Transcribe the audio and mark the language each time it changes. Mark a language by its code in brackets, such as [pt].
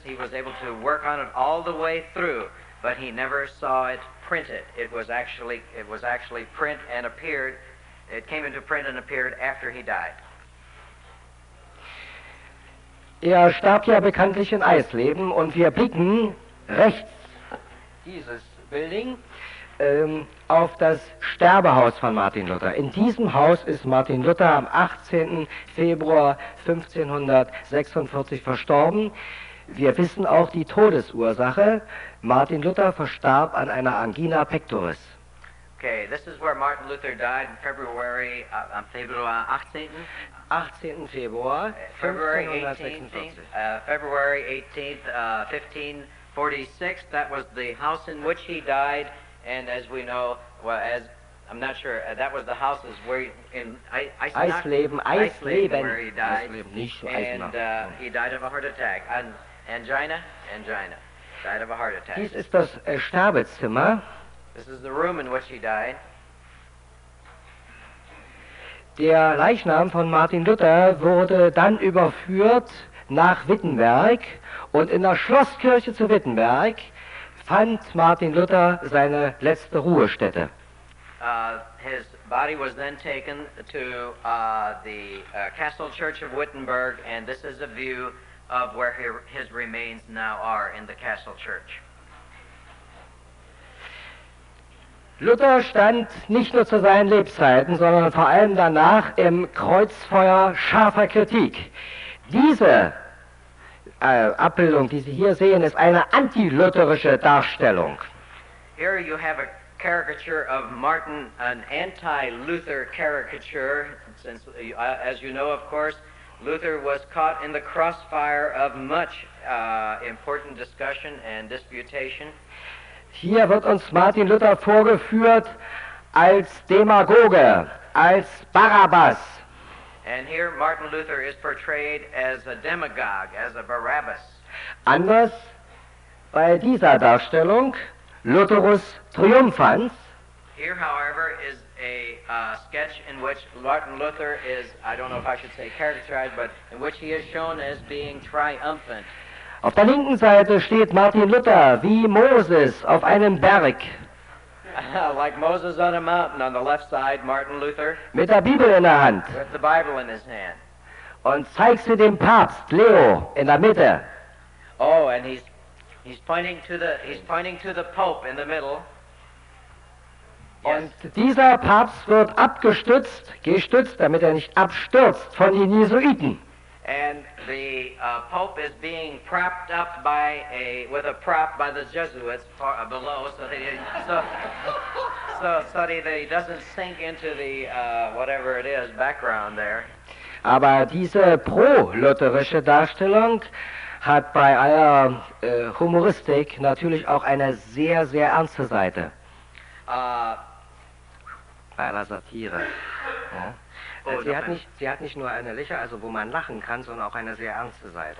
[en] He was able to work on it all the way through, but he never saw it printed. It was actually print and appeared. It came into print and appeared after he died. [de] Er starb ja bekanntlich in Eisleben und wir blicken rechts. Dieses Building. Auf das Sterbehaus von Martin Luther. In diesem Haus ist Martin Luther am 18. Februar 1546 verstorben. Wir wissen auch die Todesursache. Martin Luther verstarb an einer Angina pectoris. [en] Okay, this is where Martin Luther died in February, [de] am Februar 18. Februar [en] 1546. February 18th, 1546. That was the house in which he died. And as we know, that was the house where Eisleben, where he died. [de] Eisleben, nicht Eisenach. [en] And he died of a heart attack. Angina. Died of a heart attack. [de] Dies ist das Sterbezimmer. [en] This is the room in which he died. [de] Der Leichnam von Martin Luther wurde dann überführt nach Wittenberg. Und in der Schlosskirche zu Wittenberg fand Martin Luther seine letzte Ruhestätte. [en] His body was then taken to Castle Church of Wittenberg, and this is a view of where his remains now are in the Castle Church. [de] Luther stand nicht nur zu seinen Lebzeiten, sondern vor allem danach im Kreuzfeuer scharfer Kritik. Diese Abbildung, die Sie hier sehen, ist eine anti-lutherische Darstellung. [en] Here you have a caricature of Martin, an anti-Luther caricature. Since, as you know, of course, Luther was caught in the crossfire of much important discussion and disputation. [de] Hier wird uns Martin Luther vorgeführt als Demagoge, als Barabbas. [en] And here Martin Luther is portrayed as a demagogue, as a Barabbas. [de] Anders bei dieser Darstellung, Lutherus Triumphans. [en] Here, however, is a sketch in which Martin Luther is, I don't know if I should say characterized, but in which he is shown as being triumphant. [de] Auf der linken Seite steht Martin Luther wie Moses auf einem Berg. [en] Like Moses on a mountain, on the left side, Martin Luther. [de] Mit der Bibel in der Hand. [en] With the Bible in his hand. [de] Und zeigt sie dem Papst, Leo, in der Mitte. [en] Oh, and he's pointing to the Pope in the middle. [de] Und yes. Dieser Papst wird gestützt, damit er nicht abstürzt, von den Jesuiten. [en] And the Pope is being propped up with a prop by the Jesuits below, so that he doesn't sink into the whatever it is background there. [de] Aber diese pro-lutherische Darstellung hat bei aller Humoristik natürlich auch eine sehr, sehr ernste Seite. Bei aller Satire. Ja. Sie hat nicht nur eine Lächer, also wo man lachen kann, sondern auch eine sehr ernste Seite.